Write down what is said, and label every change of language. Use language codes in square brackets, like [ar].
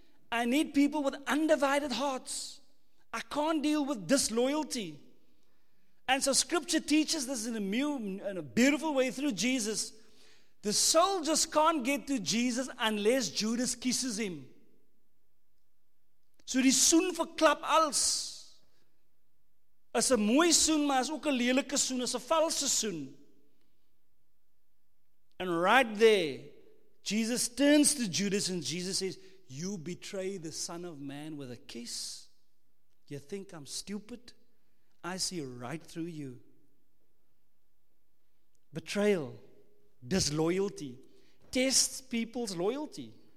[en] I need people with undivided hearts. I can't deal with disloyalty. And so scripture teaches this in a beautiful way through Jesus. The soldiers can't get to Jesus unless Judas kisses him. [af] So die soen verklap alles. Is 'n mooi soen, maar is ook 'n lelike soen, is 'n valse soen. [en] And right there, Jesus turns to Judas and Jesus says, you betray the Son of Man with a kiss? You think I'm stupid? I see right through you. Betrayal, disloyalty, tests people's loyalty.